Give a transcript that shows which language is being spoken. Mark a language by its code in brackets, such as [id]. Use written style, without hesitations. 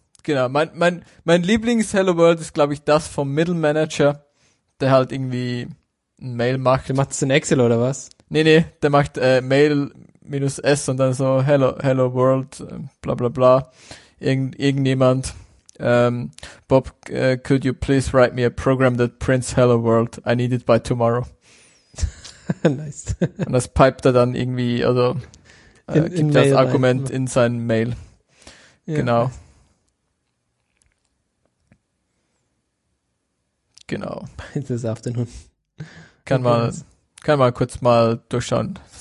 [de] Genau, mein Lieblings-Hello World ist, glaube ich, das vom Middle Manager, der halt irgendwie ein Mail macht. Der macht es in Excel oder was? Nee, der macht Mail-S und dann so Hello World, bla bla bla, irgendjemand. [en] Bob, could you please write me a program that prints Hello World? I need it by tomorrow. Nice. [de] Und das piped er dann irgendwie, also... gibt in das Mail Argument rein. In seinen Mail. Genau. Genau. Beides auf den Hund. Kann man kurz mal durchschauen.